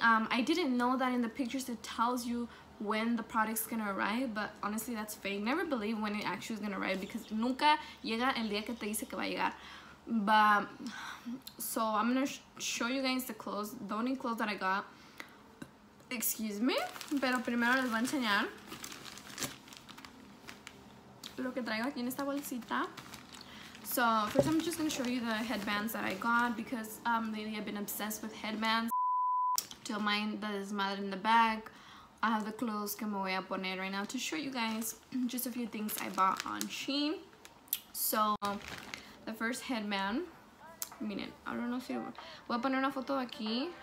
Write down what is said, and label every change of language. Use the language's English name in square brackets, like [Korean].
[English] I didn't know that in the pictures it tells you when the product's gonna arrive, but honestly, that's fake. Never believe when it actually is gonna arrive, because [Spanish] nunca llega el día que te dice que va a llegar. [English] But so I'm gonna show you guys the clothes, the only clothes that I got. Excuse me, [Spanish] pero primero les voy a enseñar lo que traigo aquí en esta bolsita. [English] So first I'm just gonna show you the headbands that I got, because lately I've been obsessed with headbands. Don't mind the desmadre in the bag. I have the clothes [Spanish] que me voy a poner [English] right now to show you guys just a few things I bought on Shein. So the first headband, [Spanish] miren, [English] I don't know if you [Spanish] voy a poner una foto aquí.